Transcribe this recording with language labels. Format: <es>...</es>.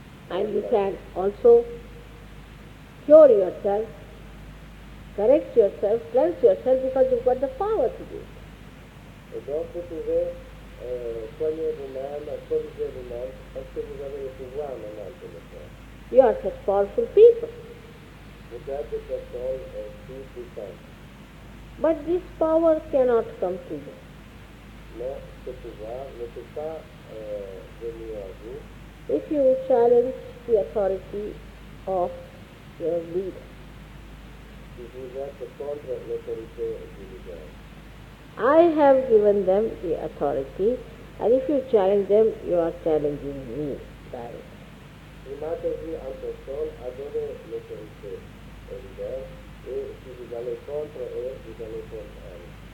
<en>And you can also cure yourself, correct yourself, cleanse yourself because you've got the power to do it.</en> <fr>Et donc vous pouvez soigner vous-même, corriger vous-même parce que vous avez le pouvoir maintenant de le faire.</fr> <en>You are such powerful people.</en> <fr>Vous êtes des personnes plus puissantes.</fr> <en>But this power cannot come to you.</en> <fr>Mais ce pouvoir ne peut pas venir à vous.</fr> <en>If you challenge the authority of your leader.</en> <fr>Si vous êtes contre l'autorité du leader.</fr> <en>I have given them the authority, and if you challenge them, you are challenging me directly.</en> <fr>Shri Mataji en personne a donné l'autorité au leader, et si vous allez contre eux, vous allez contre elle.</fr>